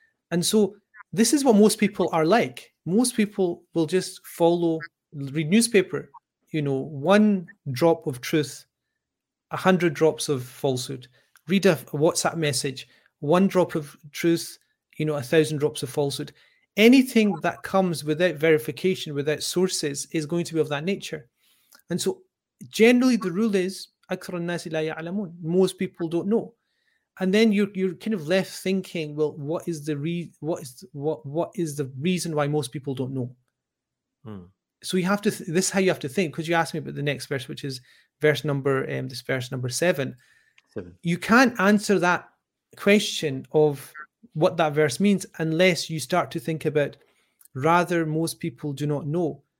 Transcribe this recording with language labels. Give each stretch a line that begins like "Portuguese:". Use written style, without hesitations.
English: And so this is what most people are like. Most people will just follow, read newspaper, you know, one drop of truth, 100 drops of falsehood. Read a WhatsApp message, one drop of truth, you know, 1,000 drops of falsehood. Anything that comes without verification, without sources, is going to be of that nature. And so generally the rule is,
Arabic: أكثر الناس لا يعلمون.
English: Most people don't know. And then you're kind of left thinking, well, what is the reason why most people don't know? So you have to, this is how you have to think, because you asked me about the next verse, which is verse number, this verse number seven. You can't answer that question of what that verse means unless you start to think about, rather, most people do not know.